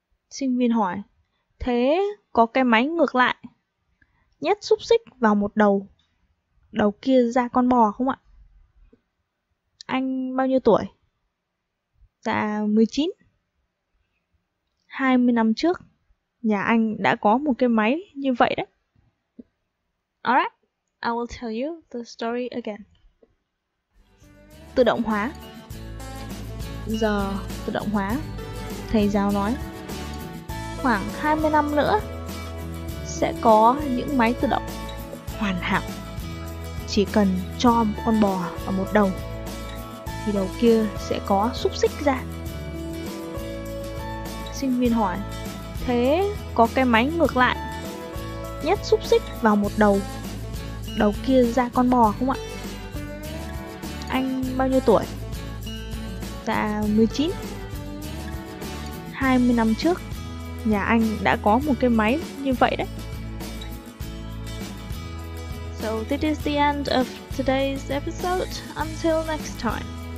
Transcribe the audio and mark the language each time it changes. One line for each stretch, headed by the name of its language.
Vietnamese: Sinh viên hỏi, thế có cái máy ngược lại, nhét xúc xích vào một đầu, đầu kia ra con bò không ạ? Anh bao nhiêu tuổi? Dạ 19. 20 năm trước, nhà anh đã có một cái máy như vậy đấy.
English: Alright, I will tell you the story again.
Vietnamese: Tự động hóa. Giờ tự động hóa. Thầy giáo nói, khoảng 20 năm nữa sẽ có những máy tự động hoàn hảo. Chỉ cần cho một con bò vào một đầu thì đầu kia sẽ có xúc xích ra. Sinh viên hỏi, thế có cái máy ngược lại, nhét xúc xích vào một đầu, đầu kia ra con bò không ạ? Anh bao nhiêu tuổi? Dạ 19. 20 năm trước, nhà anh đã có một cái máy như vậy đấy.
English: So this is the end of today's episode. Until next time.